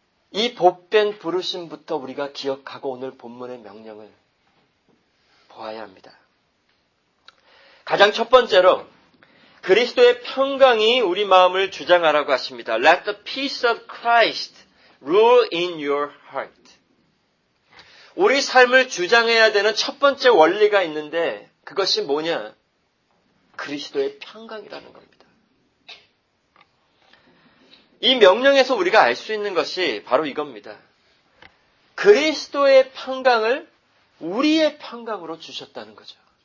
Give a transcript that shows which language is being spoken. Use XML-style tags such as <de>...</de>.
<ko>이 복된 부르심부터 우리가 기억하고 오늘 본문의 명령을 보아야 합니다. 가장 첫 번째로 그리스도의 평강이 우리 마음을 주장하라고 하십니다.</ko> <en>Let the peace of Christ rule in your heart.</en> <ko>우리 삶을 주장해야 되는 첫 번째 원리가 있는데 그것이 뭐냐? 그리스도의 평강이라는 겁니다. 이 명령에서 우리가 알 수 있는 것이 바로 이겁니다. 그리스도의 평강을 우리의 평강으로 주셨다는 거죠.</ko>